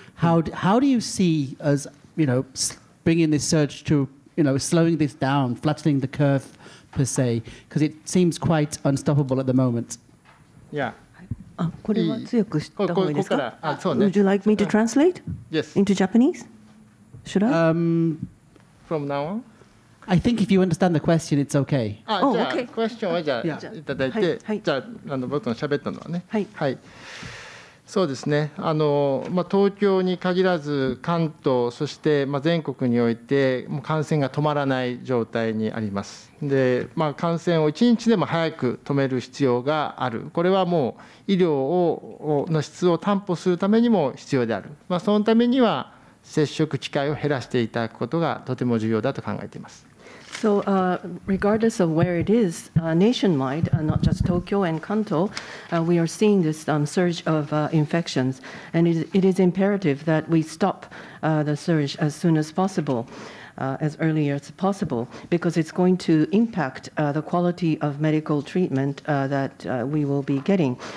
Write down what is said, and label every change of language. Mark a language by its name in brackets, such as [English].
[English] How do you see us, you know, bringing this surge to, you know, slowing this down, flattening the curve, per se, because it seems quite unstoppable at the moment. Yeah. Would you like me to translate? Yes. Into Japanese? Should I? From now on? I think if you understand the question, it's okay. [Japanese] じゃあ、クエスチョンはじゃあいただいて、じゃあ僕の喋ったのはね。はい。そうですね。東京に限らず関東そして全国において感染が止まらない状態にあります。で、感染を1日でも早く止めるこれはもう医療の質を担保するためにも必要である。そのためには接触機会を減らしていただくことがとても重要だと考えています。 [English] So regardless of where it is, nationwide, not just Tokyo and Kanto, we are seeing this surge of infections. And it is imperative that we stop the surge as soon as possible, as early as possible, because it's going to impact the quality of medical treatment that we will be getting.